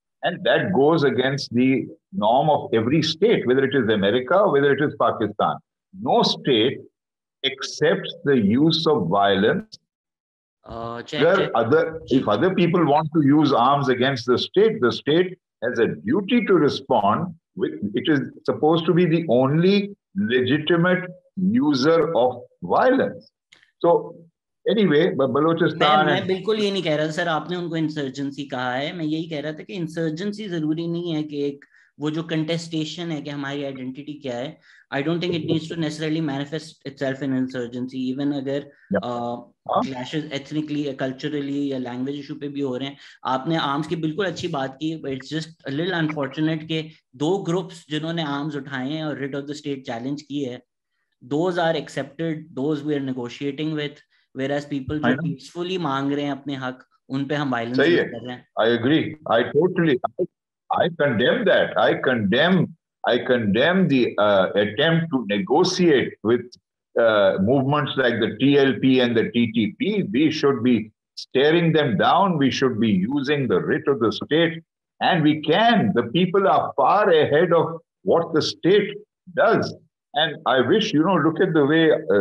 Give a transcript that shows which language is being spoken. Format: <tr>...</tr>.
<en>And that goes against the norm of every state, whether it is America or whether it is Pakistan. No state accepts the use of violence Where other, if other people want to use arms against the state has a duty to respond. It is supposed to be the only legitimate user of violence. So, anyway, Balochistan...</en> <hi>मैं बिल्कुल ये नहीं कह रहा sir आपने उनको insurgency कहा है मैं यही कह रहा था कि insurgency जरूरी नहीं है कि एक वो जो contestation है कि हमारी identity क्या है</hi> <en>I don't think it needs to necessarily manifest itself in insurgency even</en> <hi>अगर</hi> <en>clashes ethnically, culturally</en> <hi>या language issue पे भी हो रहे हैं आपने arms की बिल्कुल अच्छी बात की</hi> <en>but it's just a little unfortunate</en> <hi>कि दो groups जिन्होंने arms उठाए हैं और</hi> <en>writ of the state</en> <hi>challenge की है</hi> <en>those are accepted those we are negotiating with whereas people</en> <hi>जो peacefully मांग रहे हैं अपने हक उन पे हम violence कर रहे हैं</hi> <en>I agree I totally I condemn that I condemn the attempt to negotiate with movements like the TLP and the TTP we should be staring them down we should be using the writ of the state and we can the people are far ahead of what the state does and I wish you know look at the way</en>